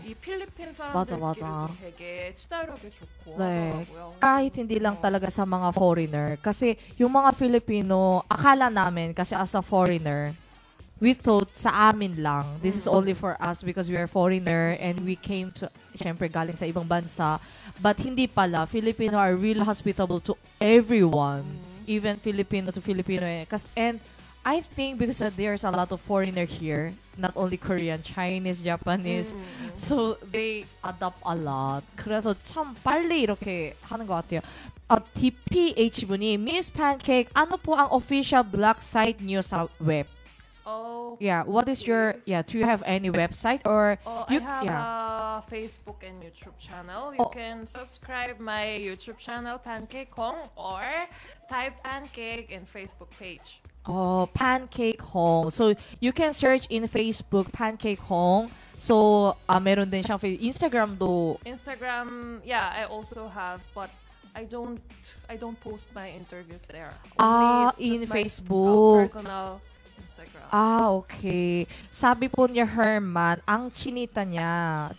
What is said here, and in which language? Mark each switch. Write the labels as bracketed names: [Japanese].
[Korean] 이 필리핀 사람들끼리도 되게 친화력이 좋고 네. [Filipino] kahit hindi lang talaga sa mga foreigner. Kasi yung mga Filipino akala namin kasi [English] as a foreigner. We thought [Filipino] sa amin lang. [English] This is only for us because we are foreigner and we came to, [Filipino] syempre, galing sa ibang bansa. [English] But [Filipino] hindi pala. [English] Filipino are real hospitable to everyone. Even Filipino to Filipino. And I think because there's a lot of foreigner here, not only Korean, Chinese, Japanese. So they adapt a lot. [Korean] 그래서 참 빨리 이렇게 하는 것 같아요. DPH 분이 [Filipino] Miss Pancake, ano po ang official blog site niyo sa web? [English] Oh, yeah, what is your, yeah, do you have any website or? I have a Facebook and YouTube channel. You can subscribe my YouTube channel, Pancake Hong, or type Pancake in Facebook page. Oh, Pancake Hong. So you can search in Facebook, Pancake Hong. [Filipino] So, meron din siyang Instagram do. [English] Instagram, yeah, I also have, but I don't post my interviews there. In Facebook. Personal. Ah, okay. [Filipino] Sabi po niya Herman, ang chinita niya.